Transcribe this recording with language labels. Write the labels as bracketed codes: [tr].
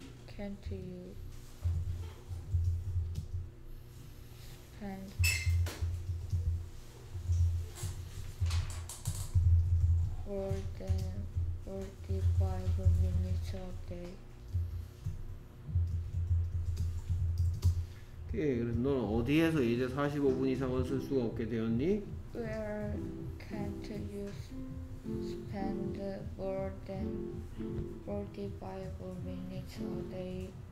[en] Can't you spend more than 45 minutes a day? [ko] 오케이. 그래서 너는 어디에서 이제 45분 이상은 쓸 수가 없게 되었니? [en] Where can't you spend more than 45 minutes a day?